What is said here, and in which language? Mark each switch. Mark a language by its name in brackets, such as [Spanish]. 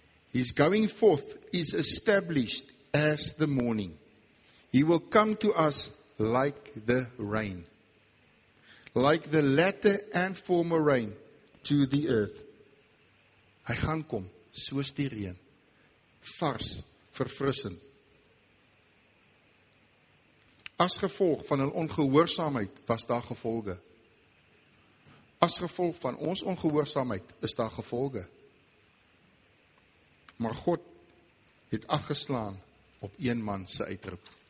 [English] His going forth is established as the morning. He will come to us like the rain. Like the latter and former rain to the earth. [Afrikaans] Hy gaan kom, soos die reën. Vars, verfrissend. As gevolg van hul ongehoorsaamheid was daar gevolge. As gevolg van ons ongehoorsaamheid is daar gevolge. Maar God het afgeslaan op een man se uitroep.